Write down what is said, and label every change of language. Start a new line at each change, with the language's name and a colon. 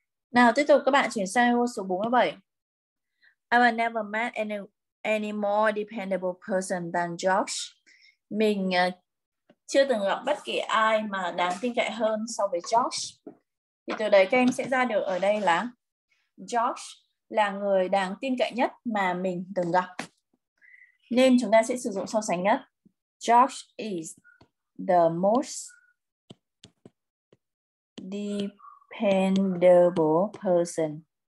Vietnamese: Nào tiếp tục các bạn chuyển sang câu số 47.
English: I will never met any more dependable person than Josh.
Vietnamese: Mình chưa từng gặp bất kỳ ai mà đáng tin cậy hơn so với Josh. Thì từ đấy các em sẽ ra được ở đây là Josh là người đáng tin cậy nhất mà mình từng gặp. Nên chúng ta sẽ sử dụng so sánh nhất.
English: Josh is the most dependable person.